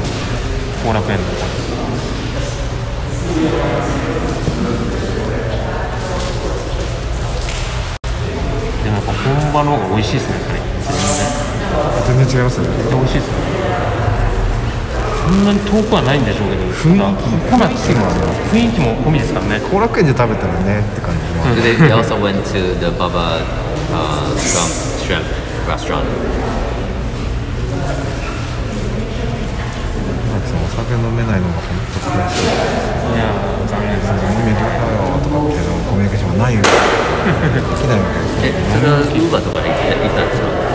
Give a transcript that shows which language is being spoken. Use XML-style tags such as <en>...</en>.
<ja>後楽園の方でもやっぱ本場の方が美味しいですね。これ全然違いますね。絶対美味しいですね。そんなに遠くはないんでしょうけど、雰囲気も込みですからね。雰囲気も込みですからね。後楽園で食べたらねって感じで。</ja> <en>They also went to the Baba Gump Shrimp</en> <ja>お酒飲めないのが本当に悔しい。いや残念ですね。飲めるかよとかっていうのもコミュニケーションがないよ。できないわけですね。それはウーバーとかで行ったんですか？</ja>